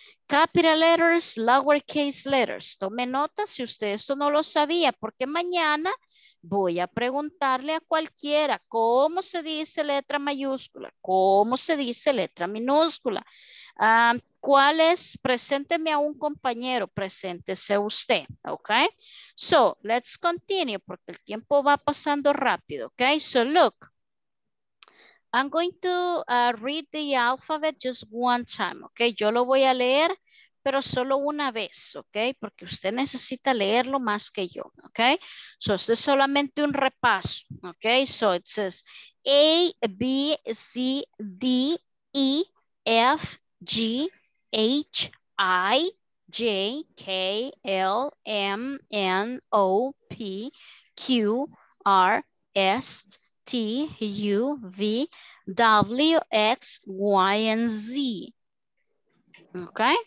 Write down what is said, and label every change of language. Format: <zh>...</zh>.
<en>Capital letters, lowercase letters.</en> <es>Tome nota si usted esto no lo sabía, porque mañana voy a preguntarle a cualquiera cómo se dice letra mayúscula, cómo se dice letra minúscula. ¿Cuál es? Presénteme a un compañero, preséntese usted, ¿ok? So,</es> <en>let's continue,</en> <es>porque el tiempo va pasando rápido, ¿ok?</es> <en>So, look, I'm going to read the alphabet just one time, ¿ok?</en> <es>Yo lo voy a leer, pero solo una vez, ¿ok? Porque usted necesita leerlo más que yo, ¿ok?</es> <en>So,</en> <es>esto es solamente un repaso,</es> <en>¿ok? So, it says A, B, C, D, E, F, G, H, I, J, K, L, M, N, O, P, Q, R, S, T, U, V, W, X, Y, and Z. Ok.</en>